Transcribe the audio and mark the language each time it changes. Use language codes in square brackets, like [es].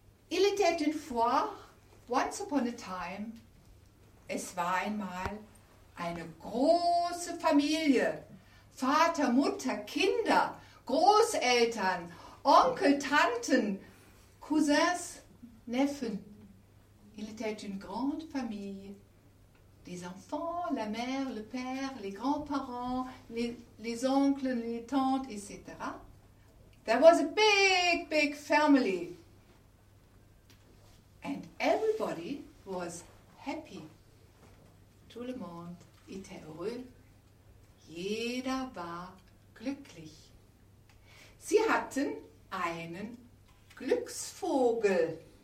[fr] Il était une fois, [en] once upon a time. [de] Es war einmal eine große Familie. Vater, Mutter, Kinder, Großeltern, Onkel, Tanten, Cousins, Neffen. [fr] Il était une grande famille, des enfants, la mère, le père, les grands-parents, les oncles, les tantes, etc. [en] There was a big, big family. And everybody was happy. [fr] Tout le monde était heureux. [de] Jeder war glücklich. Sie hatten einen Glücksvogel.